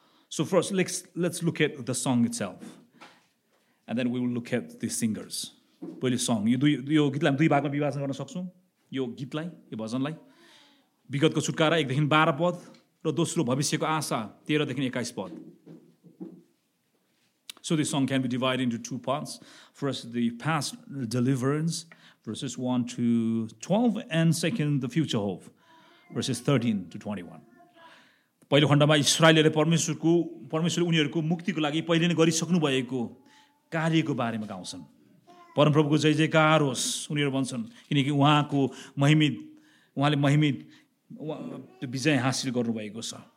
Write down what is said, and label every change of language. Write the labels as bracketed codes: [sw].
[en] So first let's look at the song itself and then we will look at the singers. [ne] पहिले song, यो गीतलाई हामी दुई भागमा विभाजन गर्न सक्छौँ, यो गीतलाई, यो भजनलाई। विगतको छुटकारा एकदेखि 12 पद र दोस्रो भविष्यको आशा 13 देखि 21 पद। [en] So this song can be divided into two parts. First, the past deliverance, verses 1 to 12, and second, the future hope, verses 13 to 21. [ne] पहिलो खण्डमा इस्रायलले परमेश्वरले उनीहरूको मुक्तिको लागि पहिले नै गरिसक्नु भएको कार्यको बारेमा गाउँछन्। परमप्रभुको जय जयकार होस् उनीहरू भन्छन्, किनकि उहाँको महिमित उहाँले महिमित विजय हासिल गर्नुभएको छ।